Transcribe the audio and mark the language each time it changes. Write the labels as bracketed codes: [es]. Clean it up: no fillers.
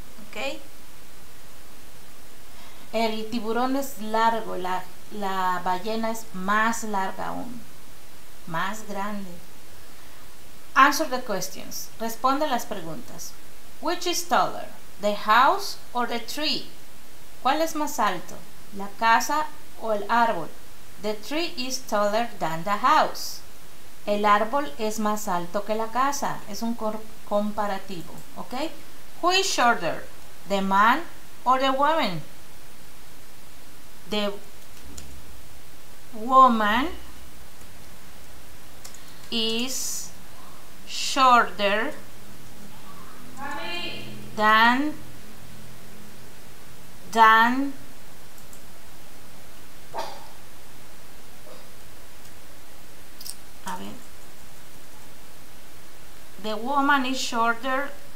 [en] Okay. [es] El tiburón es largo, la ballena es más larga aún, más grande. [en] Answer the questions. [es] Responde las preguntas. [en] Which is taller, the house or the tree? [es] ¿Cuál es más alto, la casa o el árbol? [en] The tree is taller than the house. [es] El árbol es más alto que la casa. Es un comparativo, ¿ok? [en] Who is shorter, the man or the woman? The woman is shorter than the woman is shorter